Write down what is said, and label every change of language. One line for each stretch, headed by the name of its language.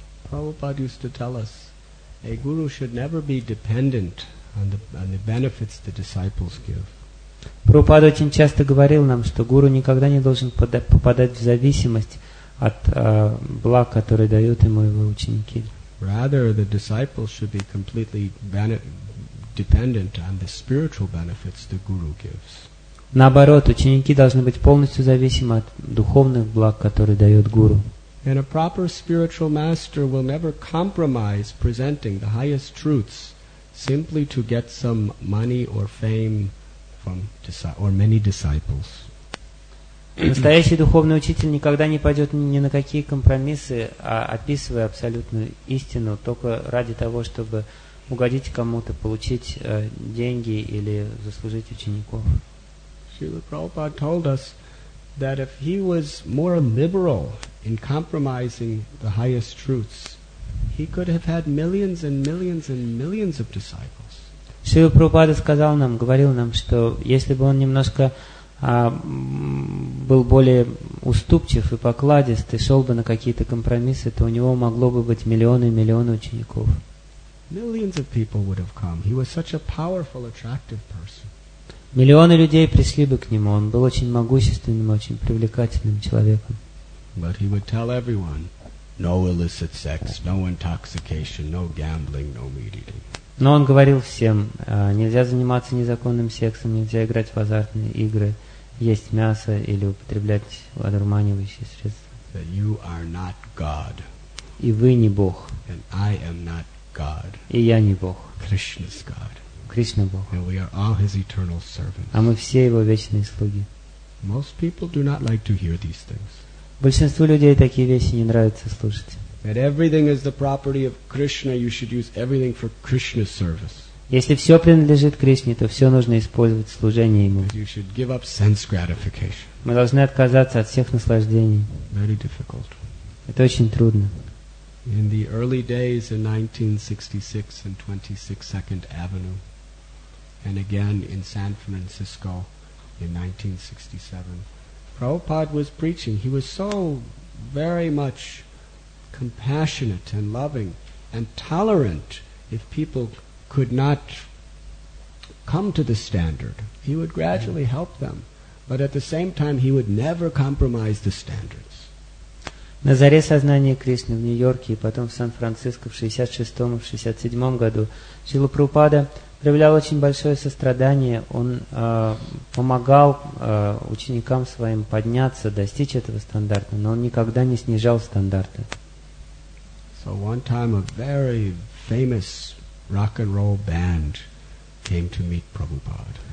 English: Prabhupada used to tell us, a guru should never be dependent on the benefits the disciples give.
Russian: Prabhupada очень часто говорил нам, что гуру никогда не должен попадать в зависимость от благ, которые дают ему его ученики.
English: Rather, the disciples should be completely dependent on the spiritual benefits the guru gives.
Russian: Наоборот, ученики должны быть полностью зависимы от духовных благ, которые дает гуру.
English: And a proper spiritual master will never compromise presenting the highest truths simply to get some money or fame from or many disciples.
Russian: Настоящий духовный учитель никогда не пойдет ни на какие компромиссы, а описывая абсолютную истину только ради того, чтобы угодить кому-то, получить деньги или заслужить учеников.
English: Srila Prabhupada told us that if he was more liberal in compromising the highest truths, He could have had millions and millions and millions of disciples.
Russian: Шрила Прабхупада сказал нам, говорил нам, что если бы он немножко был более уступчив и покладист и шел бы на какие-то компромиссы, то у него могло бы быть миллионы и миллионы учеников.
English: Millions of people would have come. He was such a powerful, attractive person.
Russian: Миллионы людей пришли бы к нему. Он был очень могущественным, очень привлекательным человеком.
English: But he would tell everyone, no illicit sex, no intoxication, no gambling, no meat eating.
Russian: Но он говорил всем, нельзя заниматься незаконным сексом, нельзя играть в азартные игры, есть мясо или употреблять одурманивающие средства.
English: That you are not God.
Russian: И вы не Бог.
English: And I am not God.
Russian: И я не Бог.
English: Krishna's God.
Russian: Кришна Бог.
English: And we are all his eternal servants.
Russian: А мы все его вечные слуги.
English: Most people do not like to hear these things.
Russian: Большинству людей такие вещи не нравится слушать.
English: That everything is the property of Krishna, you should use everything for Krishna's service.
Russian: Если все принадлежит Кришне, то все нужно использовать в служении ему.
English: You should give up sense gratification.
Russian: Мы должны отказаться от всех наслаждений.
English: Very difficult.
Russian: Это очень трудно.
English: In the early days in 1966 and 22nd Avenue, and again in San Francisco in 1967, Prabhupada was preaching. He was so very much compassionate and loving and tolerant. If people could not come to the standard, he would gradually help them. But at the same time, he would never compromise the standards.
Russian: На заре сознания Кришны в Нью-Йорке и потом в Сан-Франциско в 66-м и 67-м году Шрила Прабхупада проявлял очень большое сострадание. Он помогал ученикам своим подняться, достичь этого стандарта, но он никогда не снижал стандарты.
English: So one time a very famous rock and roll band came to meet Prabhupada.